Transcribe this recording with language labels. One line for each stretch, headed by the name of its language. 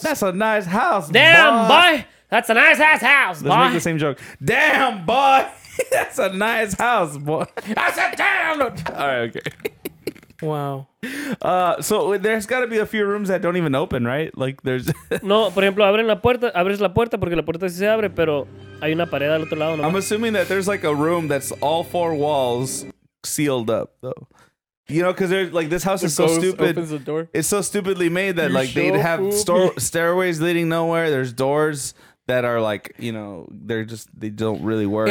English: That's a nice house. Damn, boy. That's a nice ass house, boy. Let's make the same joke. Damn, boy. That's a nice house, boy. I said damn. All right, okay. Wow. So there's got to be a few rooms that don't even open, right? Like there's...
Spanish: No, por ejemplo, abren la puerta. Abres la puerta porque la puerta sí se abre, pero hay una pared al otro lado. ¿No?
English: I'm assuming that there's like a room that's all four walls sealed up, though. You know, because they're like, this house the is so stupid. Opens the door. It's so stupidly made that, you like, they'd have stairways leading nowhere. There's doors that are, like, you know, they're just, they don't really work.